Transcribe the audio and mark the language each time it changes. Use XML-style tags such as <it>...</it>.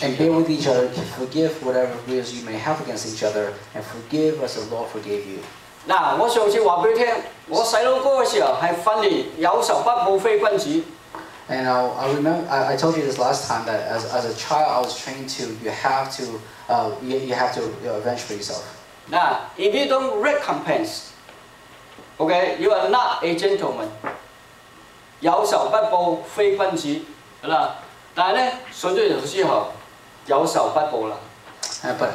<en>And bear with each other, forgive whatever wills you may have against each other, and forgive as the Lord forgave you.</en> <zh>那我上次告诉你,我小时候的时候是训练,有仇不报非君子。</zh> <en>And I remember, I told you this last time, that as a child I was trained to, you have to avenge for yourself. 那, if you don't recompense, okay, you are not a gentleman.</en> <zh>有仇不报非君子，但呢，信主之后有仇不报了。But</zh>